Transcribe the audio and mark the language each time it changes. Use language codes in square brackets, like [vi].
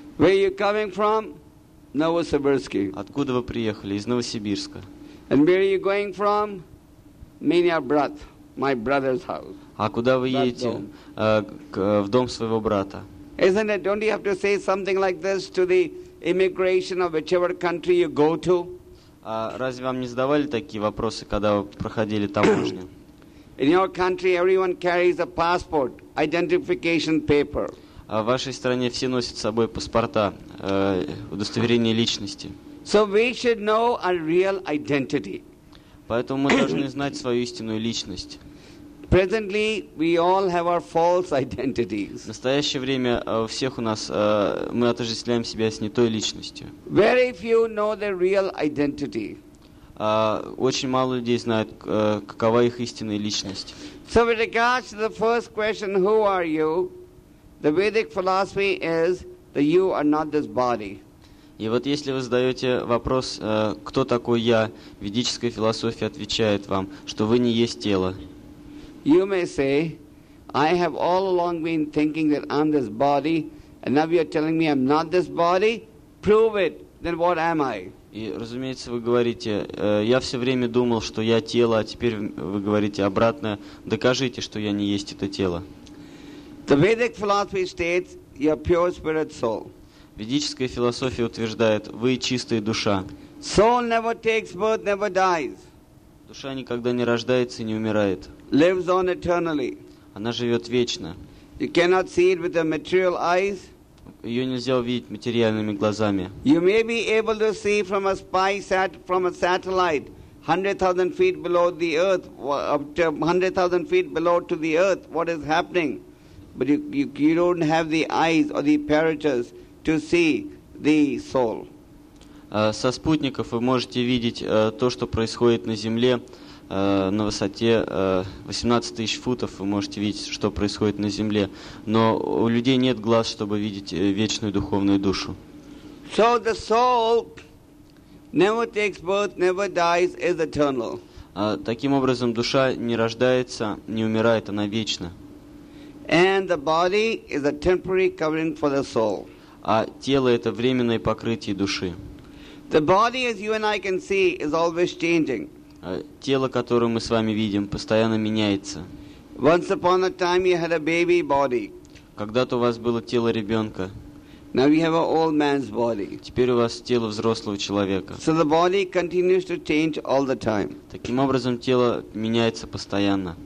[en] Where are you coming from? Novosibirsk. [ru] Откуда вы приехали? Из Новосибирска. [en] And where are you going from? [ru] Меня брат, [en] my brother's house. [ru] А куда вы едете? В дом своего брата. [en] Isn't it? Don't you have to say something like this to the immigration of whichever country you go to? [ru] Разве вам не задавали такие вопросы, когда вы проходили таможню? [en] In your country, everyone carries a passport, identification paper. [ru] В вашей стране все носят с собой паспорта, удостоверение личности. [en] So we should know our real identity. [ru] Поэтому мы должны знать свою истинную личность. [en] Presently, we all have our false identities. [ru] В настоящее время у всех у нас мы отождествляем себя с не той личностью. [en] Very few know their real identity. [ru] Очень мало людей знают, какова их истинная личность. [en] So with regards to the first question, who are you? The Vedic philosophy is that you are not this body. [ru] И вот если вы задаете вопрос, кто такой я, ведическая философия отвечает вам, что вы не есть тело. [en] You may say, I have all along been thinking that I'm this body, and now you're telling me I'm not this body? Prove it. Then what am I? [ru] И, разумеется, вы говорите, я все время думал, что я тело, а теперь вы говорите обратное. Докажите, что я не есть это тело. [en] The Vedic philosophy states, you're pure spirit soul. [ru] Ведическая философия утверждает, вы чистая душа. [en] Soul never takes birth, never dies. [ru] Душа никогда не рождается и не умирает. [en] Lives on eternally. [ru] Она живет вечно. [en] You cannot see it with the material eyes. [ru] Ее нельзя увидеть материальными глазами. [en] You may be able to see from a spy sat from a satellite, 100,000 feet below the earth, up to 100,000 feet below to the earth, what is happening, but you don't have the eyes or the apertures to see the soul. [ru] Со спутников вы можете видеть то, что происходит на Земле. На высоте 18 тысяч футов вы можете видеть, что происходит на земле. Но у людей нет глаз, чтобы видеть вечную духовную душу. [en] So the soul never takes birth, never dies, is eternal. [ru] Таким образом, душа не рождается, не умирает, она вечна. [en] And the body is a temporary covering for the soul. [ru] А тело – это временное покрытие души. [en] The body, as you and I can see, is always changing. [ru] Тело, которое мы с вами видим, постоянно меняется. [en] Once upon a time you had a baby body. [ru] Когда-то у вас было тело ребенка. [en] Now we have an old man's body. [ru] Теперь у вас тело взрослого человека. [en] So the body continues to change all the time. [ru] Таким образом, тело меняется постоянно.